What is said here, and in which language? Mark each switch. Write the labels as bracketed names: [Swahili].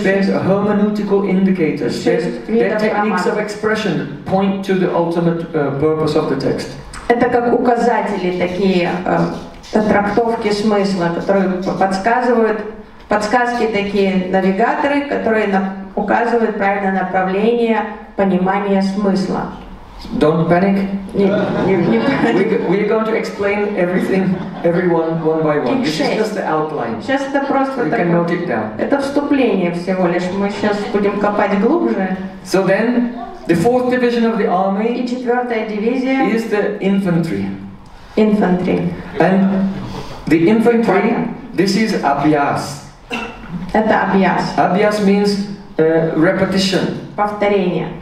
[English] hermeneutical indicators. Their techniques of expression point to the ultimate purpose of the text. [Russian] Это как указатели такие, трактовки смысла, которые подсказывают, подсказки такие, навигаторы, которые указывают правильное направление понимания смысла. [English] Don't panic. [Russian] Не паник. [English] We're going to explain everything, everyone, one by one. This is just the outline. [Russian] Сейчас это просто так. [English] You can note it down. [Russian] Это вступление всего лишь. Мы сейчас будем копать глубже. [English] So then, the fourth division of the army. [Russian] И четвертая дивизия. [English] Is the infantry. Infantry. And the infantry. This is abhyas. [Russian] Это abhyas. [English] Abhyas means repetition. [Russian] Повторение.